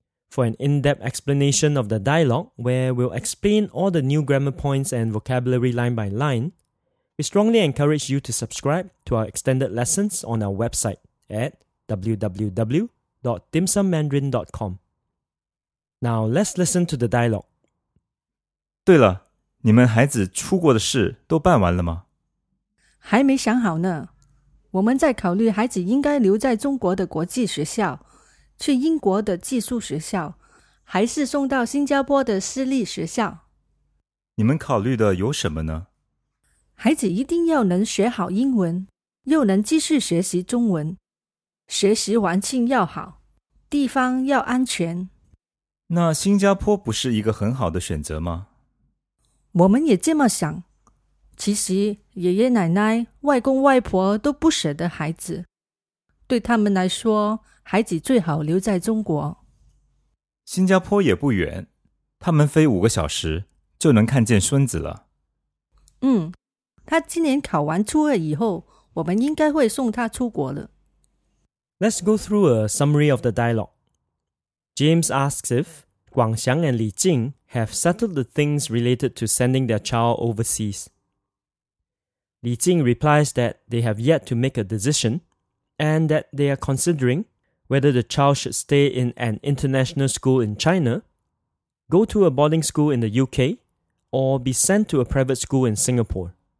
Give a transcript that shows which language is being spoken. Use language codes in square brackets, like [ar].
[en] For an in-depth explanation of the dialogue, where we'll explain all the new grammar points and vocabulary line by line, we strongly encourage you to subscribe to our extended lessons on our website at www.dimsummandarin.com. Now, let's listen to the dialogue. [zh] 对了，你们孩子出国的事都办完了吗？还没想好呢。我们在考虑孩子应该留在中国的国际学校，去英国的寄宿学校，还是送到新加坡的私立学校。你们考虑的有什么呢？孩子一定要能学好英文，又能继续学习中文。学习环境要好，地方要安全。那新加坡不是一个很好的选择吗？我们也这么想。其实爷爷奶奶、外公外婆都不舍得孩子。对他们来说，孩子最好留在中国。新加坡也不远，他们飞五个小时就能看见孙子了。嗯，他今年考完初二以后，我们应该会送他出国了。 [en] Let's go through a summary of the dialogue. James asks if Guang Xiang and Li Jing have settled the things related to sending their child overseas. Li Jing replies that they have yet to make a decision, and that they are considering whether the child should stay in an international school in China, go to a boarding school in the UK, or be sent to a private school in Singapore.